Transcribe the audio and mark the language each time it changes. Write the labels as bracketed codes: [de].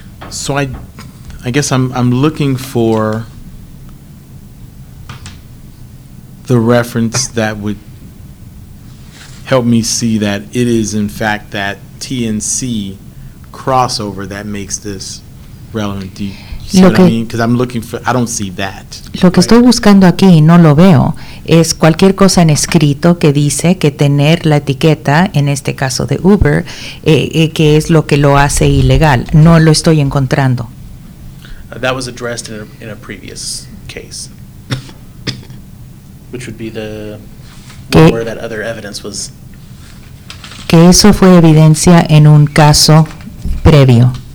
[en] So I guess I'm looking for the reference that would help me see that it is in fact that TNC crossover that makes this relevant. Do you see what I mean? Because I'm looking for, I don't see that. [es] Lo que estoy buscando aquí y no lo veo es cualquier cosa en escrito que dice que tener la etiqueta, en este caso de Uber, que es lo que lo hace ilegal. No lo estoy encontrando. [en] That was addressed in a previous case, which would be the where that other evidence was. [es] Que eso fue evidencia en un caso previo.